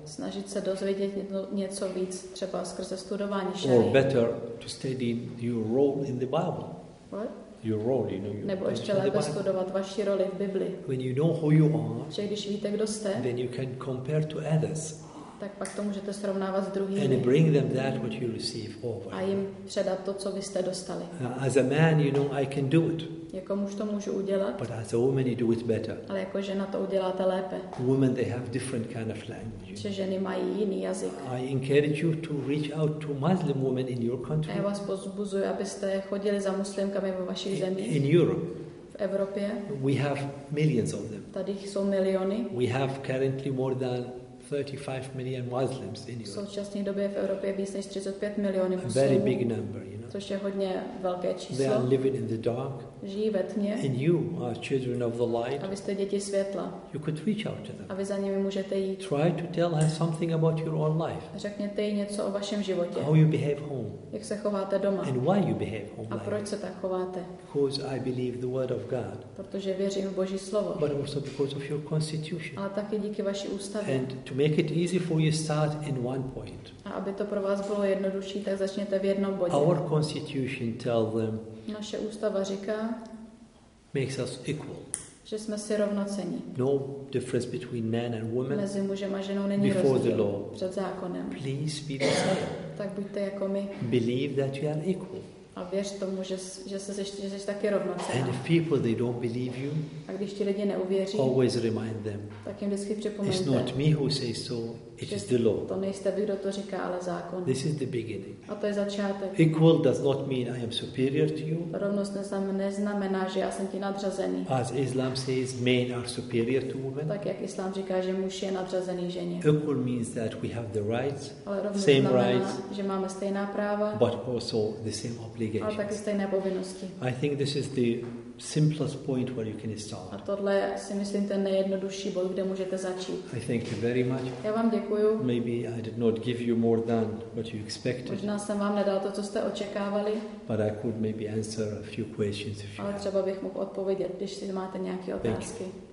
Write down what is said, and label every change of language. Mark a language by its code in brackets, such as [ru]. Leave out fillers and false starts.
[cs] Snažit se dozvědět něco víc, třeba skrze studování Sharia. [en] Or better to study your role in the Bible. What? Your role, you know, your [cs] nebo ještě lépe studovat vaši roli v Bibli. [en] When you know who you are, [cs] že když víte, kdo jste, [en] then you can compare to others. [cs] Tak pak to můžete srovnávat s druhými. [en] And bring them that what you receive over. [cs] A jim předat to, co vy jste dostali. [en] As a man, you know, I can do it. [cs] Jako muž to můžu udělat. [en] But as a woman, you do it better. [cs] Ale jako žena to uděláte lépe. [en] Women, they have different kind of language. [cs] Že ženy mají jiný jazyk. [en] I encourage you to reach out to Muslim women in your country. [cs] A já vás pozbuzuji, abyste chodili za muslimkami ve vašich zemích. [en] In Europe. [cs] V Evropě. [en] We have millions of them. [cs] Tady jsou miliony. [en] We have currently more than 35 million Muslims in Europe. [cs] V současné době v Evropě víc než 35 milionů muslimů. [en] Very big number, you know. [cs] Což je hodně velké číslo. [en] They are living in the dark. [cs] Žijí ve tmě. [en] And you are children of the light. [cs] A vy jste děti světla. [en] You could reach out to them. [cs] A vy za nimi můžete jít. [en] Try to tell her something about your own life. [cs] Řekněte jí něco o vašem životě. [en] How you behave home. [cs] Jak se chováte doma. [en] And why you behave home. [cs] A proč se tak chováte? [en] Because I believe the word of God. [cs] Protože věřím v Boží slovo. [en] But also because of your constitution. [cs] Ale taky díky vaší ústavě. [en] And to make it easy for you, start in one point. [cs] A aby to pro vás bylo jednodušší, tak začněte v jednom bodě. [en] Our constitution tells them. [cs] Naše ústava říká. [en] Makes us equal. [cs] Že jsme si rovnocenní. [en] No difference between man and woman. [cs] Mezi mužem a ženou není [en] rozdíl. Before the law. [cs] Před zákonem. [en] Please be the same. [cs] Tak buďte jako my. [en] Believe that you are equal. [cs] A věř tomu, že jsi taky rovnocenná. [en] And if people they don't believe you. [cs] A když ti lidi neuvěří. [en] Always remind them. [cs] Tak jim vždycky připomeňte. [en] It's not me who says so. It is the law. [cs] To nejste vy, kdo to říká, ale zákon. [en] This is the beginning. [cs] A to je začátek. [en] Equal does not mean I am superior to you. [cs] Rovnost neznamená, že já jsem ti nadřazený. [en] As Islam says, men are superior to women. [cs] Tak jak Islám říká, že muž je nadřazený ženě. [en] Equal means that we have the rights, [cs] ale rovnost same znamená, rights, že máme stejná práva, [en] but also the same obligations. [cs] Ale taky stejné povinnosti. [en] I think this is the simplest point where you can start. [cs] A tohle si myslím ten nejjednodušší bod, kde můžete začít. [en] I thank you very much. [cs] Já vám děkuju. [en] Maybe I did not give you more than what you expected. [cs] Možná jsem vám nedal to, co jste očekávali. [en] But I could maybe answer a few questions if you. [cs] Ale třeba bych mohl odpovědět, když si máte nějaké otázky.